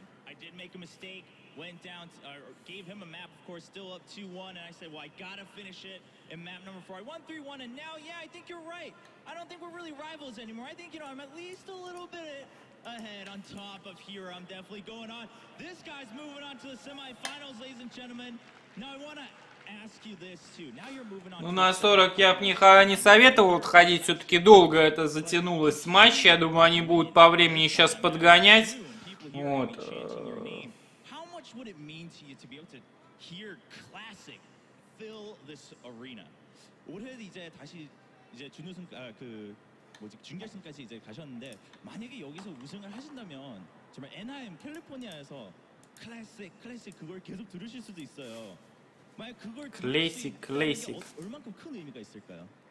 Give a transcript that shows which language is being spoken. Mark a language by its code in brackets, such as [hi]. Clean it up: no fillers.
[en] I did make a mistake, went down, gave him a map, of course, still up 2-1, and I said, well, I gotta finish it in map number 4. I won 3-1, and now, yeah, I think you're right. I don't think we're really rivals anymore. I think, you know, I'm at least a little bit. ahead on top of Hero. I'm definitely going on. This guy's moving on to the semifinals, ladies and gentlemen. Now I want to ask you this too. Now you're moving on. [ru] Ну, на 40 я бы не советовал отходить. Все-таки долго это затянулось с матча. Я думаю, они будут по времени сейчас подгонять. Вот. [en] How much would it mean to you to be able to hear Classic fill this arena? [ru] Вот это иде, [ko] 다시 이제 준우승 아, 그 뭐지 준결승까지 이제 가셨는데 만약에 여기서 우승을 하신다면 정말 NIM 캘리포니아에서 클래식 클래식 그걸 계속 들으실 수도 있어요. 만약 그걸 클래식 클래식 얼마만큼 큰 의미가 있을까요?